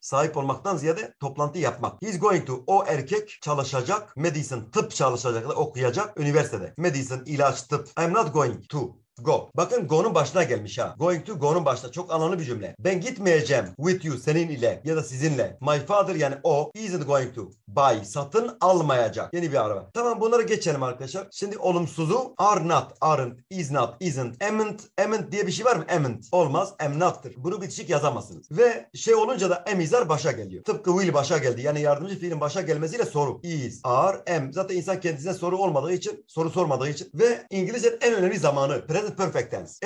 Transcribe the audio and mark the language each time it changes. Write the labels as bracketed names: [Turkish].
[Turkish] Sahip olmaktan ziyade toplantı yapmak. [English] He's going to, [Turkish] o erkek çalışacak, medicine, tıp çalışacak, okuyacak üniversitede. Medicine, ilaç, tıp. [English] I'm not going to. Go. [Turkish] Bakın go'nun başına gelmiş ha. Going to go'nun başına. Çok anlamlı bir cümle. Ben gitmeyeceğim [English] with you, [Turkish] senin ile ya da sizinle. [English] My father [Turkish] yani o [English] isn't going to buy. [Turkish] Satın almayacak. Yeni bir araba. Tamam bunları geçelim arkadaşlar. Şimdi olumsuzu [English] are not, aren't, is not, isn't, amn't, amn't [Turkish] diye bir şey var mı? Amn't. Olmaz. Am not'tır. Bunu bitişik yazamazsınız. Ve şey olunca da am is are başa geliyor. Tıpkı will başa geldi. Yani yardımcı fiilin başa gelmesiyle soru. Is, are, am. Zaten insan kendisine soru olmadığı için, soru sormadığı için ve İngilizce'nin en önemli zamanı. Perfect tense.